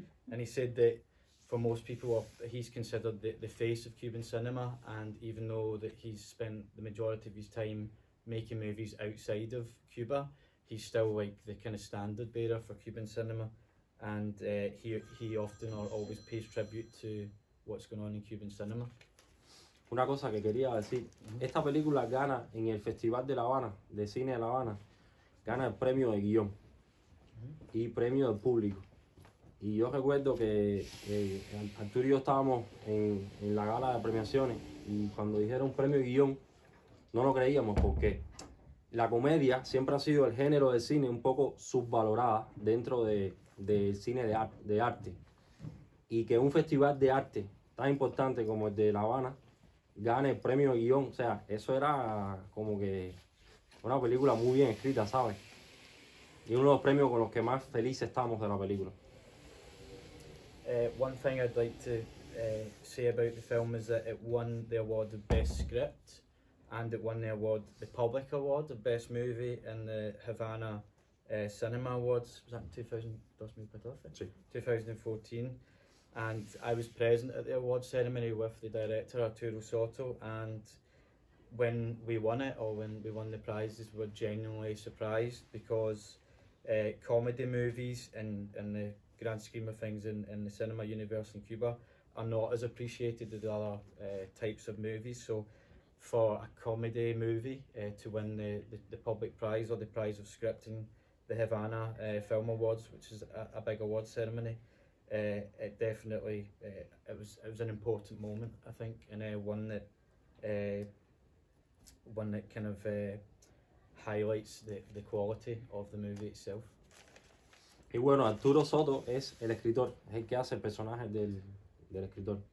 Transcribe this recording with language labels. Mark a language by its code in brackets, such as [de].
[en] And he said that for most people, he's considered the face of Cuban cinema, and even though that he's spent the majority of his time making movies outside of Cuba, he's still like the kind of standard bearer for Cuban cinema, and he often or always pays tribute to what's going on in Cuban cinema. [es] Una cosa que quería decir, esta película gana en el Festival de La Habana, de Cine de La Habana, gana el premio de guión y premio del público. Y yo recuerdo que Arturo y yo estábamos en la gala de premiaciones, y cuando dijeron premio guión, no lo creíamos, porque la comedia siempre ha sido el género del cine un poco subvalorada dentro del cine de arte. Y que un festival de arte tan importante como el de La Habana gane el premio guión, o sea, eso era como que una película muy bien escrita, ¿sabes? Y uno de los premios con los que más felices estábamos de la película. [en] One thing I'd like to say about the film is that it won the award of Best Script, and it won the award, the Public Award of Best Movie, in the Havana Cinema Awards. Was that 2014? And I was present at the award ceremony with the director, Arturo Sotto, and when we won it, or when we won the prizes, we were genuinely surprised, because comedy movies in the grand scheme of things in the cinema universe in Cuba are not as appreciated as other types of movies. So for a comedy movie to win the public prize, or the prize of scripting, the Havana Film Awards, which is a big award ceremony, it definitely it was an important moment, I think, and one that kind of highlights the quality of the movie itself. [es] Y bueno, Arturo Sotto es el escritor, es el que hace el personaje del escritor.